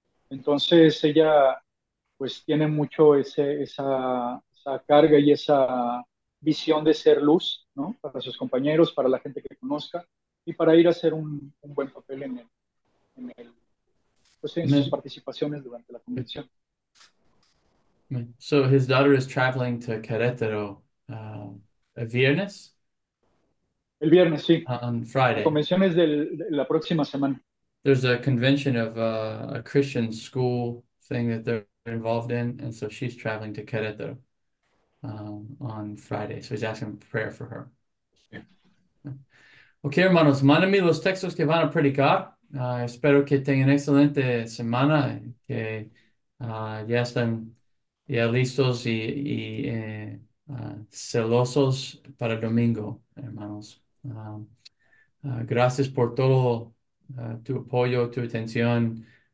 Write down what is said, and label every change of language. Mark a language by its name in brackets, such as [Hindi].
[Spanish] Entonces ella pues tiene mucho esa carga y esa visión de ser luz, ¿no? Para sus compañeros, para la gente que conozca, y para ir a hacer un buen papel en sus participaciones durante la convicción. [English] So his daughter is traveling to Querétaro [Spanish] ¿El viernes? El viernes, sí. [English] On [Spanish] La [English] Friday. [Spanish] convención es de la próxima semana. [English] There's a convention of a Christian school thing that they're involved in, and so she's traveling to Querétaro on Friday. So he's asking prayer for her. [Spanish] Okay, hermanos, mándenme los textos que van a predicar. Espero que tengan excelente semana, que ya están ya listos y celosos para el domingo, hermanos. Gracias por todo tu apoyo, tu atención.